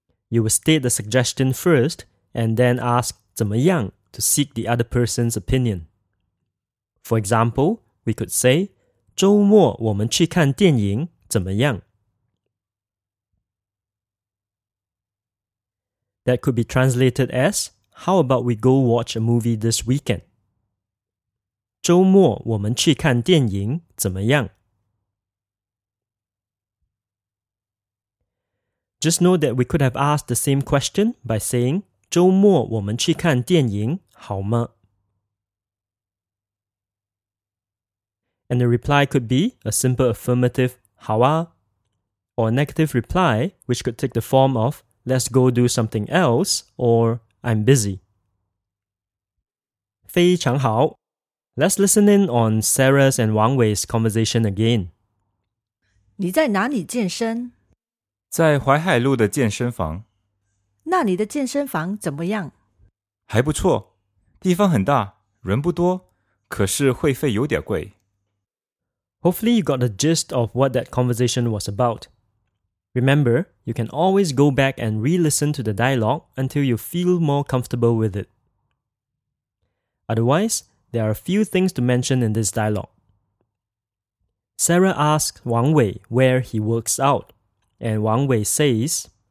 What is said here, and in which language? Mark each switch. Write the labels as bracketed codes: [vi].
[en] You will state the suggestion first and then ask 怎么样to seek the other person's opinion. For example, we could say, [zh] 周末我们去看电影怎么样? [en] That could be translated as, how about we go watch a movie this weekend? [zh] 周末我们去看电影怎么样? [en] Just know that we could have asked the same question by saying, [zh] 周末我们去看电影好吗? [en] And the reply could be a simple affirmative 好啊, or a negative reply which could take the form of let's go do something else or I'm busy. [zh] 非常好。 [en] Let's listen in on Sarah's and Wang Wei's conversation again. [zh] 你在哪里健身? 在淮海路的健身房。那你的健身房怎么样? 还不错。地方很大,人不多,可是会费有点贵。 [en] Hopefully you got the gist of what that conversation was about. Remember, you can always go back and re-listen to the dialogue until you feel more comfortable with it. Otherwise, there are a few things to mention in this dialogue. Sarah asks Wang Wei where he works out, and Wang Wei says,